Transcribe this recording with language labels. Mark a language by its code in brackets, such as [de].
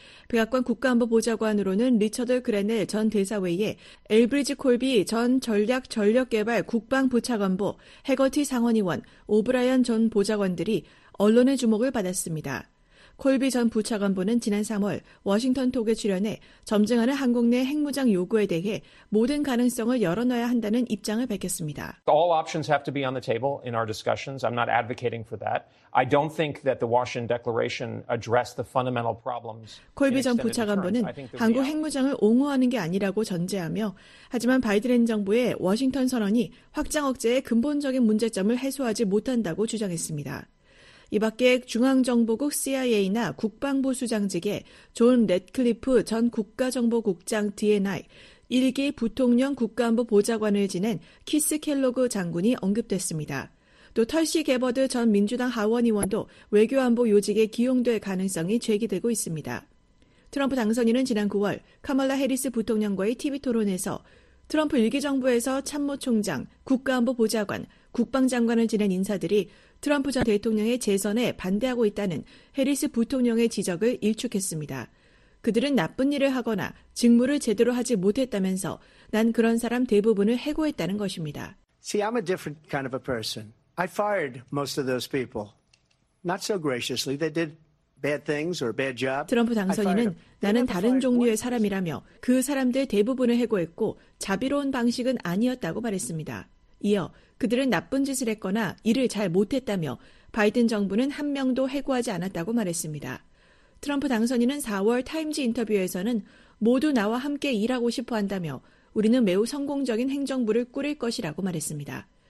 [ko] 백악관 국가안보보좌관으로는 리처드 그레넬 전 대사 외에 엘브리지 콜비 전 전략전력개발 국방부차관보, 해거티 상원의원, 오브라이언 전 보좌관들이 언론의 주목을 받았습니다. 콜비 전 부차관보는 지난 3월 워싱턴 톡에 출연해 점증하는 한국 내 핵무장 요구에 대해 모든 가능성을 열어놔야 한다는 입장을 밝혔습니다. [en] All options have to be on the table in our discussions. I'm not advocating for that. I don't think that the Washington Declaration addressed the fundamental problems. [ko] 콜비 전 부차관보는 한국 핵무장을 옹호하는 게 아니라고 전제하며 하지만 바이든 정부의 워싱턴 선언이 확장 억제의 근본적인 문제점을 해소하지 못한다고 주장했습니다. 이 밖에 중앙정보국 CIA나 국방부 수장직에 존 랫클리프 전 국가정보국장 DNI, 1기 부통령 국가안보 보좌관을 지낸 키스 켈로그 장군이 언급됐습니다. 또 털시 개버드 전 민주당 하원의원도 외교안보 요직에 기용될 가능성이 제기되고 있습니다. 트럼프 당선인은 지난 9월 카멀라 해리스 부통령과의 TV 토론에서 트럼프 1기 정부에서 참모총장, 국가안보 보좌관, 국방장관을 지낸 인사들이 트럼프 전 대통령의 재선에 반대하고 있다는 해리스 부통령의 지적을 일축했습니다. 그들은 나쁜 일을 하거나 직무를 제대로 하지 못했다면서 난 그런 사람 대부분을 해고했다는 것입니다. [en] See, I'm a different kind of a person. I fired most of those people. Not so graciously. They did bad things or a bad job. [ko] 트럼프 당선인은 나는 다른 종류의 사람이라며 그 사람들 대부분을 해고했고 자비로운 방식은 아니었다고 말했습니다. 이어 그들은 나쁜 짓을 했거나 일을 잘 못했다며 바이든 정부는 한 명도 해고하지 않았다고 말했습니다. 트럼프 당선인은 4월 타임즈 인터뷰에서는 모두 나와 함께 일하고 싶어 한다며 우리는 매우 성공적인 행정부를 꾸릴 것이라고 말했습니다.